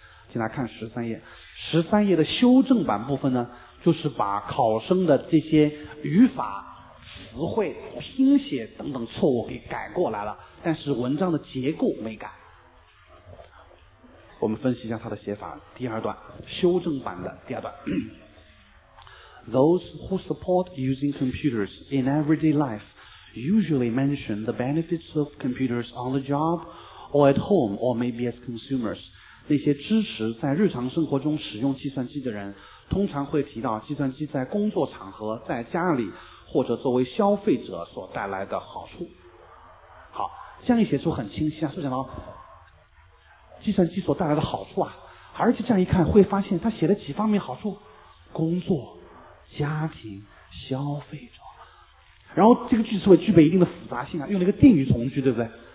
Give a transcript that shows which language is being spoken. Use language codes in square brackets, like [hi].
[zh] 先来看十三页，十三页的修正版部分呢，就是把考生的这些语法、词汇、拼写等等错误给改过来了，但是文章的结构没改。我们分析一下它的写法，第二段，修正版的第二段。 [en] Those who support using computers in everyday life usually mention the benefits of computers on the job or at home or maybe as consumers. [zh] 那些支持在日常生活中使用计算机的人通常会提到计算机在工作场合、在家里或者作为消费者所带来的好处。好，这样一写出很清晰啊，是讲到计算机所带来的好处啊，而且这样一看会发现他写了几方面好处，工作、家庭、消费者，然后这个句子会具备一定的复杂性啊，用了一个定语从句，对不对？